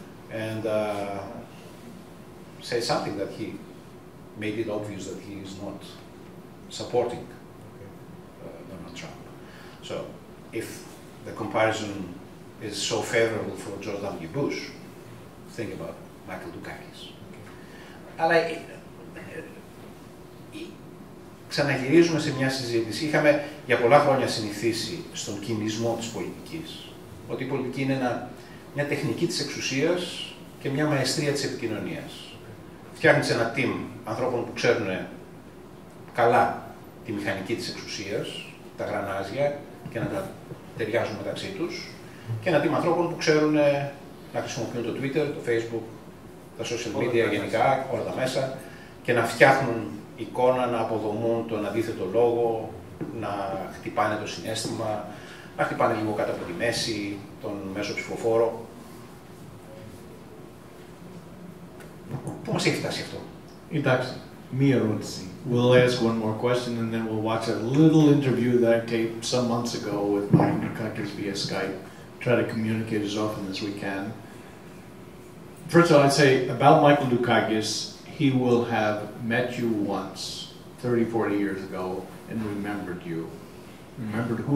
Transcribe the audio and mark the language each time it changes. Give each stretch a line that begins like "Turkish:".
English: And say something that he made it obvious that he is not supporting Donald Trump. So if the comparison is so favorable for George W. Bush, think about Michael Dukakis.
Greek: Αλλά ξαναγυρίζουμε σε μια συζήτηση. Είχαμε για πολλά χρόνια συνηθίσει στον κινησμό της πολιτικής, ότι η πολιτική είναι μια τεχνική της εξουσίας και μια μαεστρία της επικοινωνίας. Φτιάχνεις ένα team ανθρώπων που ξέρουν καλά τη μηχανική της εξουσίας, τα γρανάζια, και να τα ταιριάζουν μεταξύ τους, και ένα team ανθρώπων που ξέρουν να χρησιμοποιούν το Twitter, το Facebook, τα social media γενικά, όλα τα μέσα, και να φτιάχνουν εικόνα, να αποδομούν τον αντίθετο λόγο, να χτυπάνε το συνέστημα, να χτυπάνε λίγο κάτω από τη μέση, τον μέσο ψηφοφόρο. Πού μας έχει φτάσει αυτό? Εντάξει, μία ερώτηση.
English: We'll ask one more question and then we'll watch a little interview that I taped some months ago with Michael Dukakis via Skype, try to communicate as often as we can. First of all, I'd say about Michael Dukakis, he will have met you once, 30, 40 years ago, and remembered you, remembered who